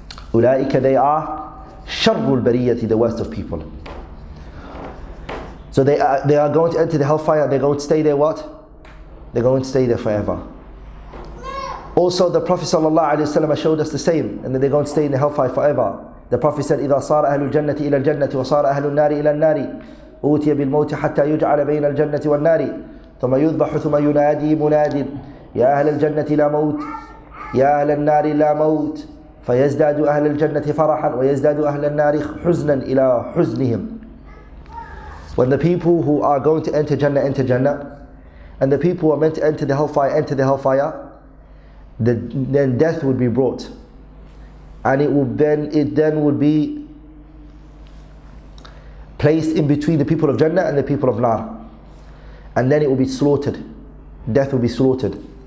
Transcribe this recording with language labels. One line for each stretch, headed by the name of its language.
English: Ulaika, they are
Arabic: sharrul bariyati,
English: the worst of people. So they are going to enter the hellfire. They're going to stay there what? They're going to stay there forever. Also, the Prophet sallallahu alaihi wasallam showed us the same, and that they're going to stay in the hellfire forever. The Prophet said,
Arabic: إِذَا صَارَ أَهْلُ الْجَنَّةِ إِلَى الْجَنَّةِ وَصَارَ أَهْلُ النَّارِ إِلَى النَّارِ أُوتِيَ بِالْمَوْتِ حَتَّى يُجْعَلَ بَيْنَ الْجَنَّةِ وَالنَّارِ ثُمَّ يُذْبَحُ ثُمَّ يُنَادِي مُنَادٍ يا أهل الجنة لا موت يا أهل النار لا موت فيزداد أهل الجنة فرحا ويزداد أهل النار حزنا إلى حزنهم.
English: When the people who are going to enter Jannah, and the people who are meant to enter the hellfire, then death would be brought, and it would be placed in between the people of Jannah and the people of Nar, and then it will be slaughtered. Death will be slaughtered.